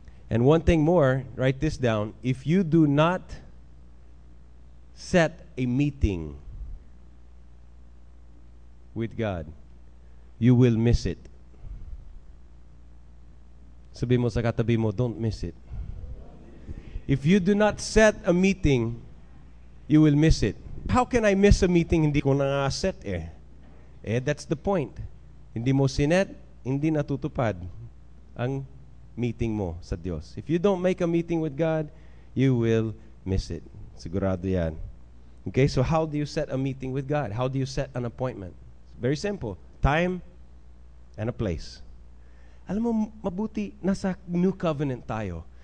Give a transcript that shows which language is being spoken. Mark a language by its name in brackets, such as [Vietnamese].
[English] And one thing more, write this down. If you do not set a meeting with God, you will miss it. [Filipino] Sabi mo sa katabi mo, [English] don't miss it. If you do not set a meeting, you will miss it. How can I miss a meeting [Filipino] hindi ko na-set eh? [English] Eh, that's the point. [Filipino] Hindi mo sinet, hindi natutupad ang meeting mo sa Diyos. [English] If you don't make a meeting with God, you will miss it. [Filipino] Sigurado yan. [English] Okay, so how do you set a meeting with God? How do you set an appointment? It's very simple. Time and a place. [Filipino] Alam mo, mabuti nasa New Covenant tayo.